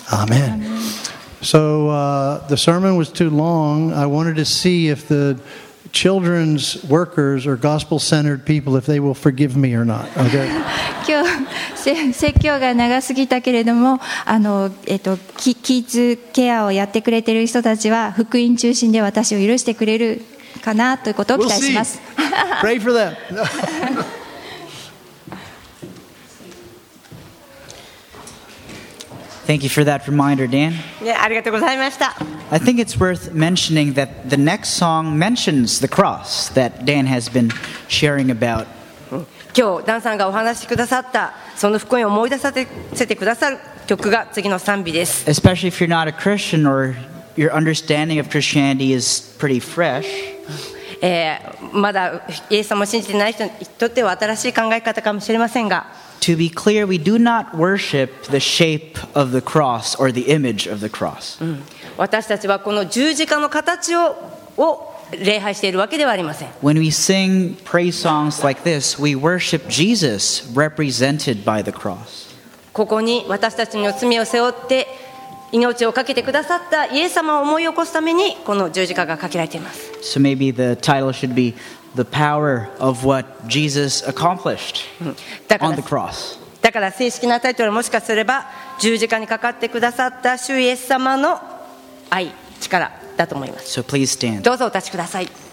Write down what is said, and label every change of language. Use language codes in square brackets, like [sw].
[en] Amen. So, the sermon was too long. I wanted to see if the... Children's workers or gospel-centered people, if they will forgive me or not. Okay. [ja] 今日説教が長すぎたけれども、キッズケアをやってくれている人たちは福音中心で私を許してくれるかなということを期待します。 [en] We'll see. Pray for them. Thank you for that reminder, Dan. [ja] Yeah, ありがとうございました。 [en] I think it's worth mentioning that the next song mentions the cross that Dan has been sharing about. [ja] 今日、ダンさんがお話しくださった、その福音を思い出させてくださる曲が次の賛美です。 [en] Especially if you're not a Christian or your understanding of Christianity is pretty fresh. [ja] まだイエス様を信じてない人にとっては新しい考え方かもしれませんが、 [en] To be clear, we do not worship the shape of the cross or the image of the cross. [ja] 私たちはこの十字架の形を礼拝しているわけではありません。 [en] When we sing praise songs like this, we worship Jesus represented by the cross. [ja] ここに私たちの罪を背負って命を懸けてくださったイエス様を思い起こすためにこの十字架がかけられています。 [en] So maybe the title should beThe power of what Jesus accomplished on the cross. [ja] だから正式なタイトルもしかすれば十字架にかかってくださった主イエス様の愛、力だと思います。 [en] So please stand. [ja] どうぞお立ちください。